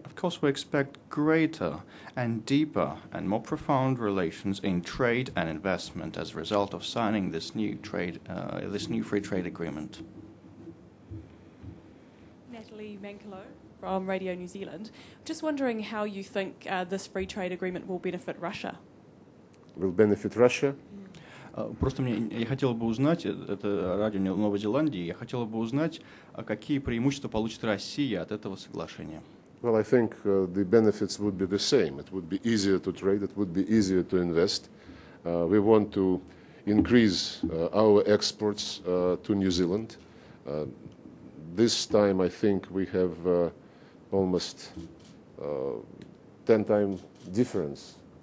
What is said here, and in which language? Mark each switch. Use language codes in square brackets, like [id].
[en] Of course, we expect greater and deeper and more profound relations in trade and investment as a result of signing this new trade, this new free trade agreement. Natalie Mankelo from Radio New Zealand. Just wondering how you think this free trade agreement will benefit Russia. Will benefit Russia? [ru] Просто мне я хотела бы узнать, это радио Новой Зеландии, я хотела бы узнать, какие преимущества получит Россия от этого соглашения. [en] Well, I think the benefits would be the same. It would be easier to trade, it would be easier to invest. We want to increase our exports to New Zealand. This time, I think, we have almost 10 times difference.